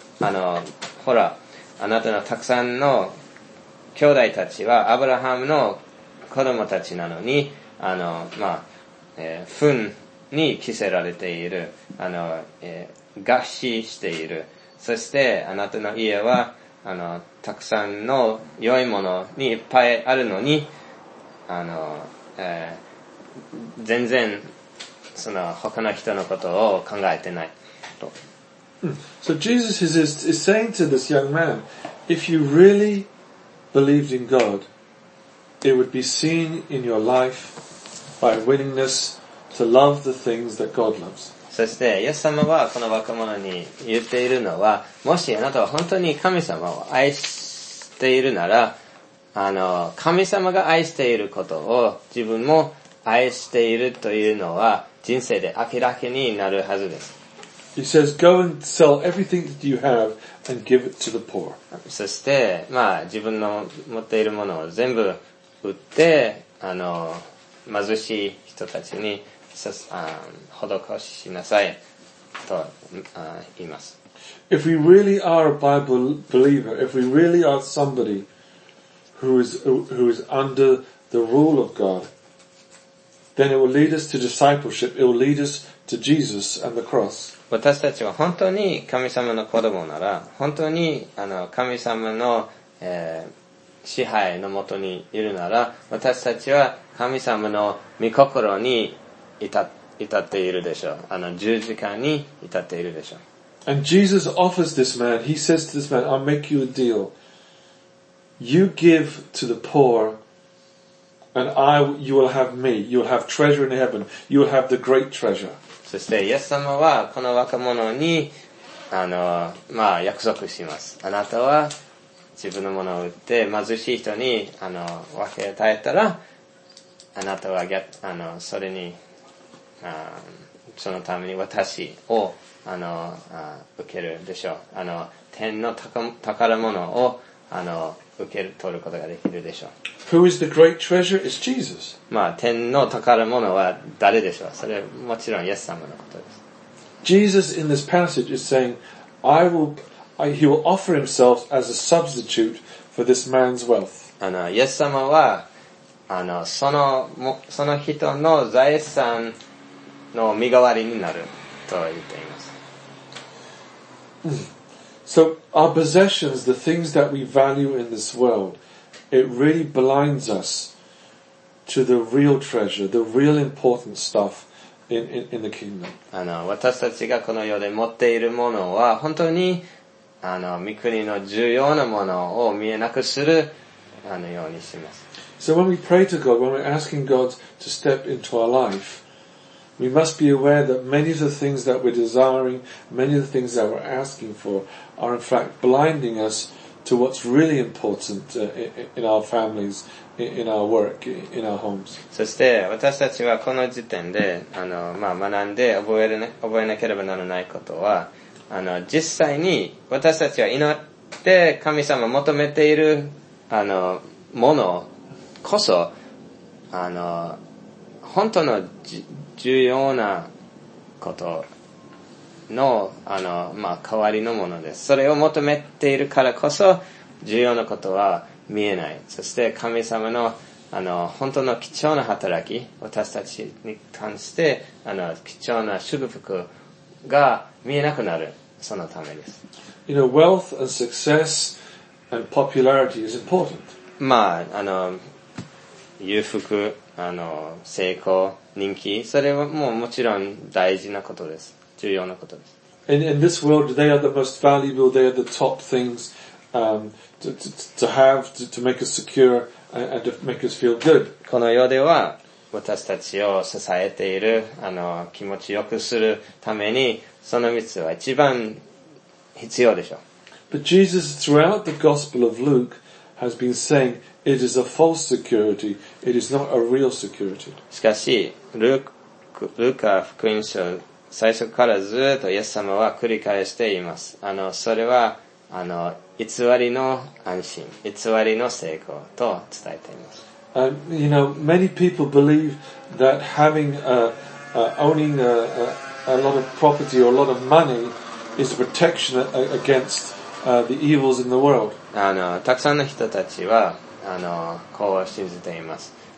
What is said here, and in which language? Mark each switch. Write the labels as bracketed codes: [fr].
[ja] あのほらあなたのたくさんの兄弟たちはアブラハムの子供たちなのにあのまあ、糞に着せられている、あの、餓死している、そしてあなたの家はあのたくさんの良いものにいっぱいあるのにあの、全然その他の人のことを考えてないと。 [en] So Jesus is saying to this young man, if you really believed in God, it would be seen in your life by willingness to love the things that God loves. [ja] そしてイエス様はこの若者に言っているのは、もしあなたは本当に神様を愛しているなら、あの神様が愛していることを自分も愛しているというのは人生で明らかになるはずです。 [en] He says, go and sell everything that you have and give it to the poor. [ja] そして、まあ、自分の持っているものを全部売って、あの、貧しい人たちに、施しなさい、と、言います。 [en] If we really are a Bible believer, if we really are somebody who is under the rule of God, then it will lead us to discipleship, it will lead us to Jesus and the cross. [ja] 私たちは本当に神様の子供なら、本当にあの神様の、支配のもとにいるなら、私たちは神様の御心に至っているでしょう。あの十字架に至っているでしょう。 [en] And Jesus offers this man, he says to this man, I'll make you a deal. You give to the poor, and you will have me. You will have treasure in heaven. You will have the great treasure. [ja] そして、イエス様は、この若者に、あの、まあ、約束します。あなたは、自分のものを売って、貧しい人に、あの、分け与えたら、あなたは、あの、それに、あ、そのために私を、あの、あ、受けるでしょう。あの、天の宝物を、あの、受け取ることができるでしょう。 [en] Who is the great treasure? It's Jesus. [ja] まあ、天の宝物は誰でしょう。それもちろんイエス様のことです。 [en] Jesus in this passage is saying, he will offer himself as a substitute for this man's wealth. [ja] あの、イエス様は、あの、その人の財産の身代わりになると言っています。 [en] So our possessions, the things that we value in this world, it really blinds us to the real treasure, the real important stuff in the kingdom. [ja] あの、私たちがこの世で持っているものは本当にあの、御国の重要なものを見えなくするあのようにします。 [en] So when we pray to God, when we're asking God to step into our life,We must be aware that many of the things that we're desiring, many of the things that we're asking for, are in fact blinding us to what's really important in our families, in our work, in our homes. [ja] そして私たちはこの時点で、あの、まあ、学んで覚えなければならないことは、あの、実際に私たちは祈って神様を求めている、あの、ものこそ、あの、本当の重要なことの、あの、まあ、代わりのものです。それを求めているからこそ、重要なことは見えない。そして神様の、あの、本当の貴重な働き、私たちに関して、あの、貴重な祝福が見えなくなる、そのためです。 [en] You know, wealth and success and popularity is important. [ja] まあ、あの、裕福、あの、成功、人気、それはもうもちろん大事なことです。重要なことです。 [en] In this world, they are the most valuable, they are the top things, to have, to make us secure, and to make us feel good. [ja] この世では、私たちを支えている、あの、気持ちよくするために、その3つは一番必要でしょう。 [en] But Jesus, throughout the Gospel of Luke, has been saying,It is a false security. It is not a real security. [ja] しかし、ルカ福音書最初からずっとイエス様は繰り返しています。それは偽りの安心、偽りの成功と伝えています。 [en] You know, many people believe that having owning a lot of property or a lot of money is a protection against the evils in the world. [ja] たくさんの人たちはこう信じています。